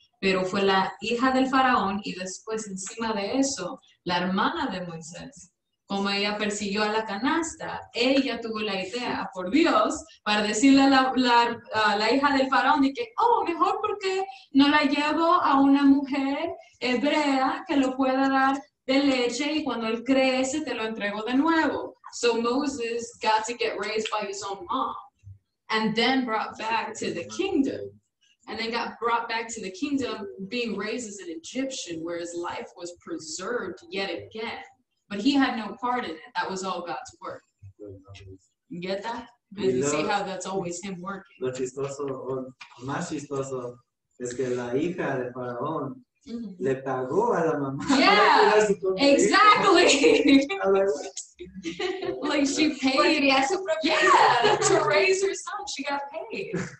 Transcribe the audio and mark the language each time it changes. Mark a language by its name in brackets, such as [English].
[Spanish] Pero fue la hija del faraón y después encima de eso, la hermana de Moisés, como ella persiguió a la canasta, ella tuvo la idea, por Dios, para decirle a la hija del faraón, de que, oh, mejor porque no la llevo a una mujer hebrea que lo pueda dar de leche y cuando él crece te lo entrego de nuevo. [English] So Moses got to get raised by his own mom and then brought back to the kingdom. And then got brought back to the kingdom, being raised as an Egyptian, where his life was preserved yet again. But he had no part in it. That was all God's work. Get that? And you see how that's always him working. [Spanish] Lo chistoso, o más chistoso, es que la hija de Faraón le pagó a la mamá. [English] Yeah, exactly. Like she paid. Yeah, to raise her son, she got paid.